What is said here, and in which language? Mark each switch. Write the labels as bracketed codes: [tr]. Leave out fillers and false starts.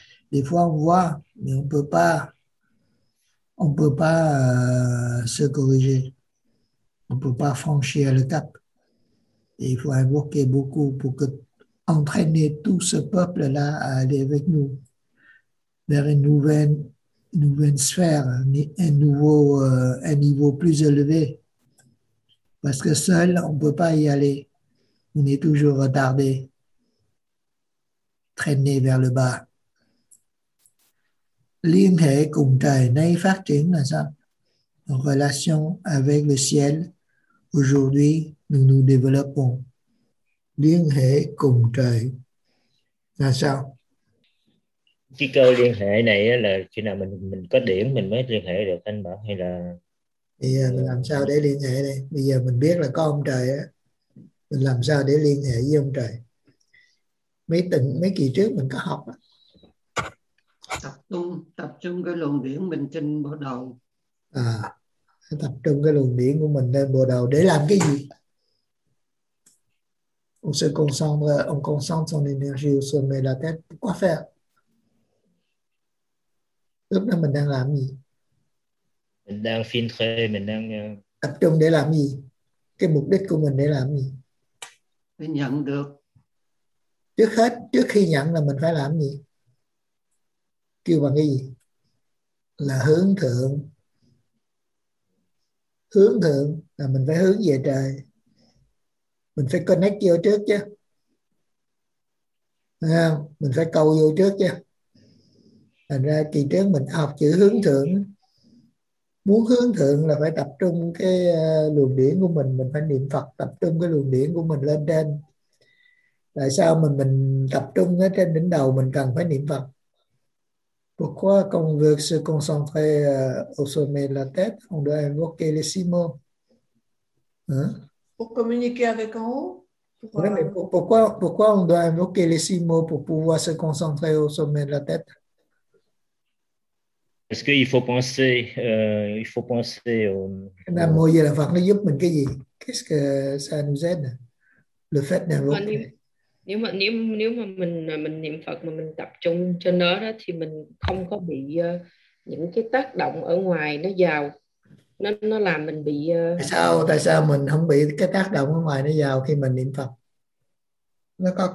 [fr] Des fois, on voit, mais on peut pas se corriger. On peut pas franchir le cap. Et il faut invoquer beaucoup pour que, entraîner tout ce peuple-là à aller avec nous vers une nouvelle sphère, un niveau plus élevé. Parce que seul, on peut pas y aller. On est toujours retardé, traîné vers le bas. [vi] Liên hệ cùng trời nay phát triển là sao? [fr] Relation avec le ciel. Aujourd'hui, nous nous développons. [vi] Liên hệ cùng trời là sao? Cái câu liên hệ này là khi nào mình có điểm mình mới liên hệ được anh bảo hay là... Bây giờ mình làm sao để liên hệ đây? Bây giờ mình biết là có ông trời á. Mình làm sao để liên hệ với ông trời? Mấy kỳ trước mình có học á. Tập trung cái luồng điển mình trên bộ đầu à, tập trung cái luồng điển của mình lên bộ đầu để làm cái gì? [fr] On se concentre, on concentre son énergie au sommet de la tête. Pourquoi faire? [vi] Lúc đó mình đang làm gì? Mình đang filtrer, mình đang tập trung để làm gì? Cái mục đích của mình để làm gì? Để nhận được. Trước hết, trước khi nhận là mình phải làm gì? Kêu bằng cái gì? Là hướng thượng. Hướng thượng là mình phải hướng về trời. Mình phải connect vô trước chứ. Thấy không? Mình phải cầu vô trước chứ. Thành ra kỳ trước mình học chữ hướng thượng. Muốn hướng thượng là phải tập trung cái luồng điển của mình. Mình phải niệm Phật, tập trung cái luồng điển của mình lên trên. Tại sao mình tập trung ở trên đỉnh đầu mình cần phải niệm Phật? [fr] Pourquoi quand on veut se concentrer au sommet de la tête, on doit invoquer les six mots hein? Pour communiquer avec en haut pour... Oui, mais pourquoi on doit invoquer les six mots pour pouvoir se concentrer au sommet de la tête? Parce qu'il faut penser, La moyenne à faire, nous y a un qu'est-ce que ça nous aide, le fait d'invoquer. [vi] Nếu mà mình niệm Phật mà mình tập trung trên nó đó thì mình không có bị những cái tác động ở ngoài nó vào, nó làm mình bị tại sao mình không bị cái tác động ở ngoài nó vào khi mình niệm Phật? Nó có